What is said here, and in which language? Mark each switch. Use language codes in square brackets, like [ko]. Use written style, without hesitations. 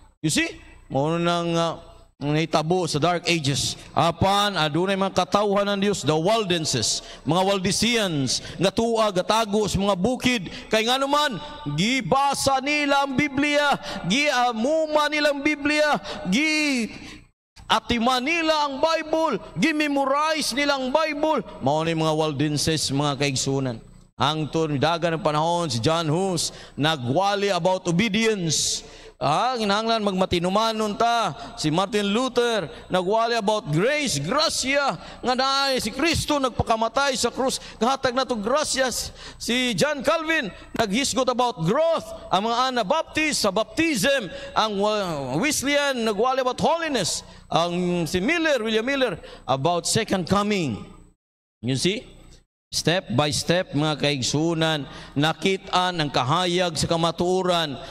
[en] You see, [ceb] mao nang nahitabo sa Dark Ages. Apan, adunay mga katauhan ng Diyos, the Waldenses, mga Waldesians, nga tua, gatago sa mga bukid. Kaya nga naman, gibasa nila ang Biblia, giamuma nila ang Biblia, giatima nila ang Bible, gimemorize nila ang Bible. Maunay mga Waldenses, mga kaigsunan. Ang tunidagan ng panahon, si John Hus, nagwali [en] about obedience. [ceb] Ginahanglan magmatinumanon ta. Si Martin Luther, nagwali [en] about grace, [ceb] gracia. Nga naay si Kristo, nagpakamatay sa krus. Kahatag na to gracia. Si John Calvin, naghisgot [en] about growth. [ceb] Ang mga Anabaptist, sa baptism. Ang Wesleyan, nagwali [en] about holiness. [ceb] Ang si Miller, William Miller, [en] about second coming. You see? [ceb] Step by step, mga kaigsunan, nakitaan ang kahayag sa kamatuoran.